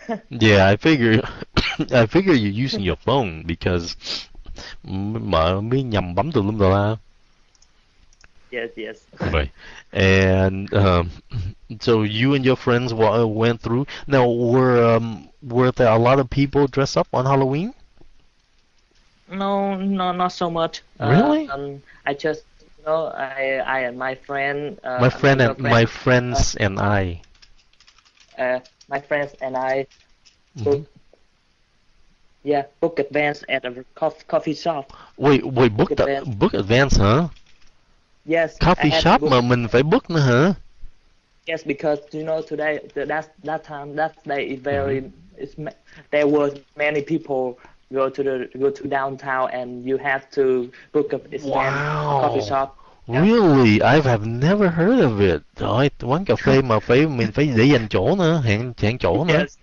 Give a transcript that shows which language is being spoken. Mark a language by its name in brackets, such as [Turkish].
[English] Yeah, I figure you're using your phone because [Vietnamese] mới nhầm bấm từ lúc đầu. [English] Yes. Right. And so you and your friends went through. Now, were there a lot of people dress up on Halloween? No, not so much. Really? My friends and I. My friends and I book advance at a coffee shop. Wait, book advance, huh? Yes. [Vietnamese] Coffee shop mà mình phải book nữa hả? [English] Yes, because you know today that day is very there were many people go to downtown and you have to book advance coffee shop. Really? I have never heard of it. [Vietnamese] Rồi, quán cà phê mà mình phải để dành chỗ nữa, hẹn chỗ nữa.